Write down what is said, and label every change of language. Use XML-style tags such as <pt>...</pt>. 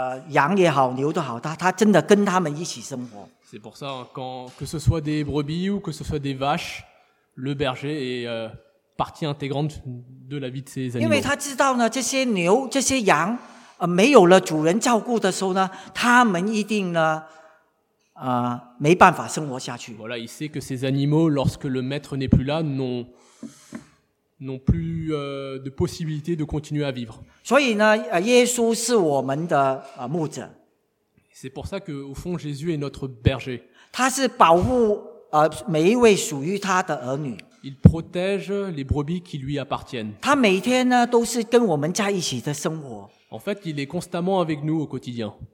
<zh>所以他为了要保护这些羊也好牛都好，他真的跟他们一起生活.</zh> <fr>C'est pour ça quand que ce soit des brebis ou que ce soit des vaches, le berger est partie intégrante de la vie de ces animaux.</fr> <zh>因为他知道呢，这些牛、这些羊，没有了主人照顾的时候呢，他们一定呢，没办法生活下去。</zh> <fr>Voilà, il sait que ces animaux, lorsque le maître n'est plus là, n'ont plus de possibilité de continuer à vivre.</fr> <zh>所以呢，耶稣是我们的牧者。</zh> <fr>C'est pour ça que, au fond, Jésus est notre berger.</fr> <zh>他是保护每一位属于他的儿女。</zh> <fr>Il protège les brebis qui lui appartiennent.</fr> <zh>他每天呢都是跟我们在一起的生活。</zh> <fr>En fait, il est constamment avec nous au quotidien.</fr>